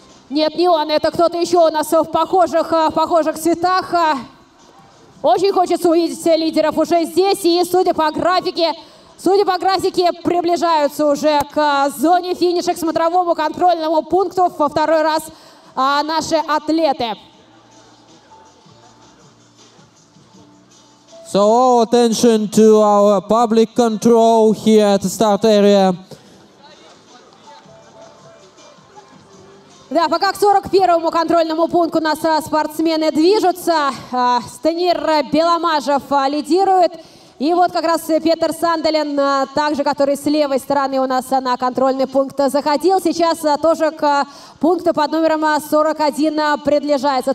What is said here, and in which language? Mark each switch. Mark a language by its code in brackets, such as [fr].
[ru] Нет, не он, это кто-то еще у нас в похожих цветах. Очень хочется увидеть лидеров уже здесь, и, судя по графике, приближаются уже к зоне финиша, к смотровому контрольному пункту во второй раз наши атлеты. [en] So all attention to our public control here at the start area. [ru] Да, пока к 41-му контрольному пункту у нас спортсмены движутся. Станир Беломажев лидирует. И вот как раз Петер Сандален, также который с левой стороны у нас на контрольный пункт заходил, сейчас тоже к пункту под номером 41 приближается.